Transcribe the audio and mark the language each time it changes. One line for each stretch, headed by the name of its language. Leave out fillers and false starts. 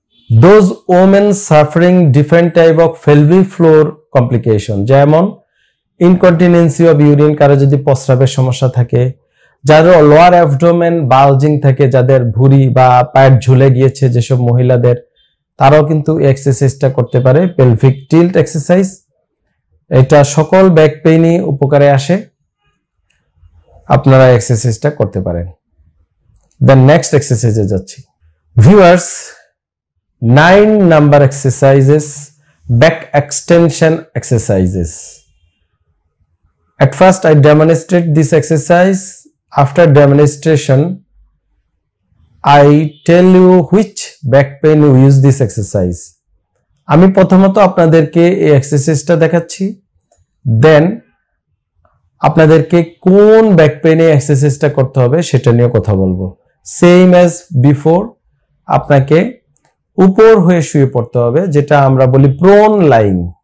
English: those women suffering different type of pelvic floor complication
Bangla: যেমন incontinence of urine কারো যদি প্রস্রাবের সমস্যা থাকে যাদের লোয়ার অ্যাবডোমেন বালজিং থাকে যাদের ভুঁড়ি বা পায়ের ঝুলে গিয়েছে যেসব মহিলাদের তারাও কিন্তু এক্সারসাইজটা করতে পারে পেলভিক টিল্ট এক্সারসাইজ এটা সকল ব্যাক পেইনই উপকারে আসে আপনারা এক্সারসাইজটা করতে পারেন দেন নেক্সট এক্সারসাইজে যাচ্ছি viewers
English: 9 number exercises, back extension exercises. At first I demonstrate this exercise. After demonstration, I tell you which back pain you use this exercise.
Bangla: আমি প্রথমত আপনাদেরকে এই এক্সারসাইজটা দেখাচ্ছি, দেন আপনাদেরকে কোন ব্যাক পেইনে এক্সারসাইজটা করতে হবে সেটা নিয়ে কথা বলবো।
English: same as before,
Bangla: আপনাকে উপর হয়ে শুয়ে পড়তে হবে, যেটা আমরা বলি প্রোন লাইং।